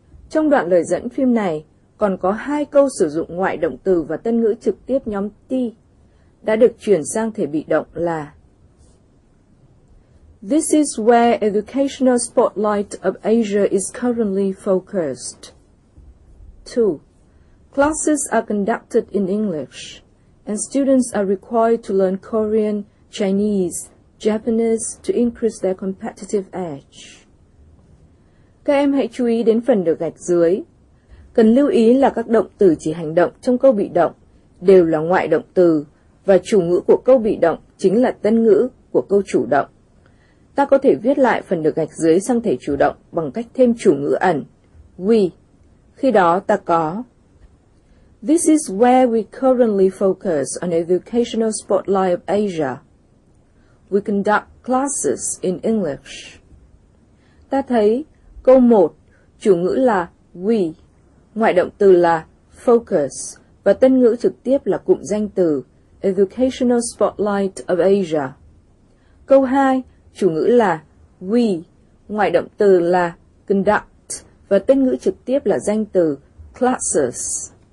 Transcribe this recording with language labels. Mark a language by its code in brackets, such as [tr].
[vi] Trong đoạn lời dẫn phim này còn có hai câu sử dụng ngoại động từ và tân ngữ trực tiếp nhóm T đã được chuyển sang thể bị động là [en] This is where educational spotlight of Asia is currently focused. 2. Classes are conducted in English, and students are required to learn Korean, Chinese, Japanese to increase their competitive edge. [vi] Các em hãy chú ý đến phần được gạch dưới. Cần lưu ý là các động từ chỉ hành động trong câu bị động đều là ngoại động từ và chủ ngữ của câu bị động chính là tân ngữ của câu chủ động. Ta có thể viết lại phần được gạch dưới sang thể chủ động bằng cách thêm chủ ngữ ẩn, we. Khi đó ta có: [en] This is where we currently focus on educational spotlight of Asia. We conduct classes in English. [vi] Ta thấy câu 1, chủ ngữ là we, ngoại động từ là focus và tân ngữ trực tiếp là cụm danh từ [en] educational spotlight of Asia. [vi] Câu 2, chủ ngữ là we, ngoại động từ là conduct và tân ngữ trực tiếp là danh từ classes.